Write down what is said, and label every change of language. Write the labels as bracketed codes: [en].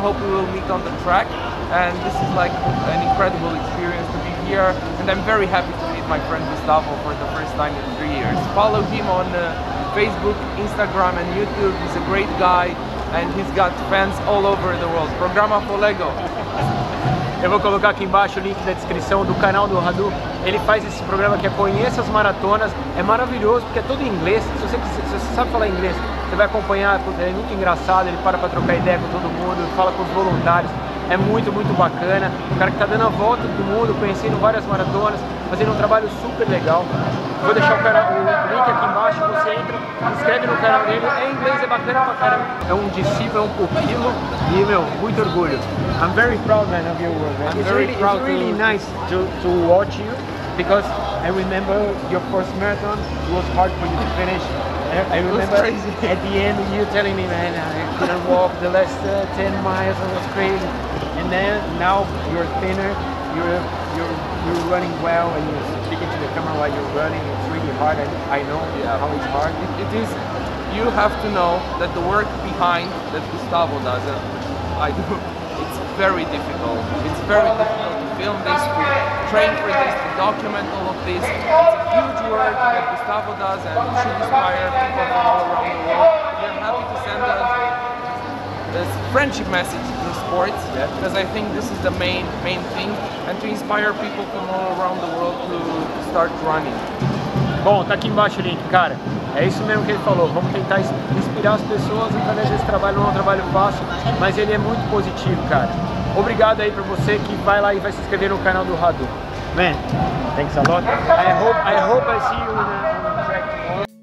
[en] Hope we will meet on the track. And this is like an incredible experience to be here. And I'm very happy to meet my friend Gustavo for the first time in 3 years. Follow him on Facebook, Instagram and YouTube. He's a great guy and he's got fans all over the world. [pt] Programa Folego. Eu vou colocar aqui embaixo o link da descrição do canal do Radu. Ele faz esse programa que é Conheça as Maratonas. É maravilhoso porque é tudo em inglês. Se você sabe falar inglês, você vai acompanhar. É muito engraçado. Ele para trocar ideia com todo mundo, fala com os voluntários. É muito, muito bacana. O cara que está dando a volta do mundo, conhecendo várias maratonas, fazendo um trabalho super legal. Vou deixar o link aqui embaixo. Você entra, inscreve no canal dele. É em inglês, é bacana pra caramba. É um discípulo, é um pupilo. E, meu, muito orgulho. [en] I'm very proud, man, of your work. I'm very really, proud. It's really nice to watch you, because I remember your first marathon. It was hard for you to finish. I remember at the end you telling me, man, I couldn't walk the last 10 miles. It was crazy. And then now you're thinner. You're running well, and you're speaking to the camera while you're running. It's really hard. I know how it's hard. It is. You have to know that the work behind that Gustavo does, I do. Very difficult. It's very difficult to film this, to train for this, to document all of this. It's a huge work that Gustavo does, and it should inspire people from all around the world. I'm happy to send this friendship message in sports, because I think this is the main thing, and to inspire people from all around the world to start running. [pt] Bom, tá aqui embaixo o link, cara. É isso mesmo que ele falou. Vamos tentar inspirar as pessoas através desse trabalho. Não é um trabalho fácil, mas ele é muito positivo, cara. Obrigado aí pra você que vai lá e vai se inscrever no canal do Radu. [en] Man, thanks a lot. I hope I see you in a...